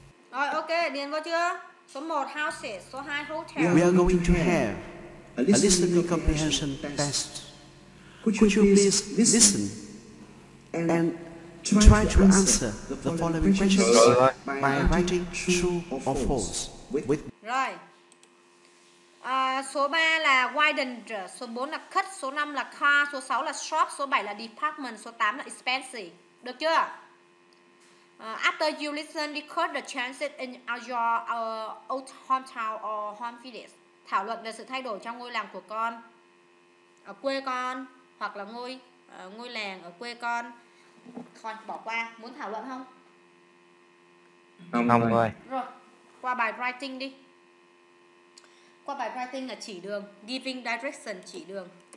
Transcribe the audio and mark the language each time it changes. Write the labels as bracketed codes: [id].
[vi] Rồi, ok, điền vô chưa? Số 1, houses. Số 2, hotel. [en] We are going to have a listening comprehension test. Could you please listen and try to answer the following questions by writing true or false with. [vi] Rồi. Số 3 là widen, số 4 là cut, số 5 là car, số 6 là shop, số 7 là department, số 8 là expensive. Được chưa? [en] After you listen, record the changes in your old hometown or home village. [vi] Thảo luận về sự thay đổi trong ngôi làng của con, ở quê con, hoặc là ngôi làng ở quê con. Thôi bỏ qua, muốn thảo luận không? Không rồi. Rồi, qua bài writing đi. Qua bài writing là chỉ đường, [en] giving direction, [vi] chỉ đường.